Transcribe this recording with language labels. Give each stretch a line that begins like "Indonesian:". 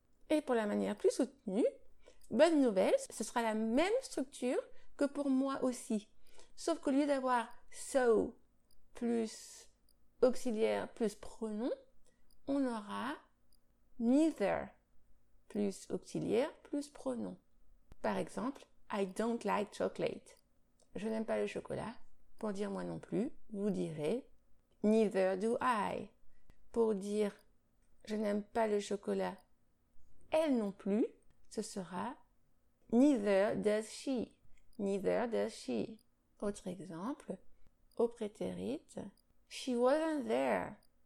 French: Et pour la manière plus soutenue, bonne nouvelle, ce sera la même structure que pour moi aussi. Sauf qu'au lieu d'avoir so plus auxiliaire plus pronom, on aura neither plus auxiliaire plus pronom. Par exemple,
English: I don't like chocolate.
French: Je n'aime pas le chocolat. Pour dire moi non plus, vous direz
English: neither do I.
French: Pour dire je n'aime pas le chocolat, elle non plus, ce sera
English: neither does she. Neither does she.
French: Autre exemple, au prétérit,
English: she wasn't there.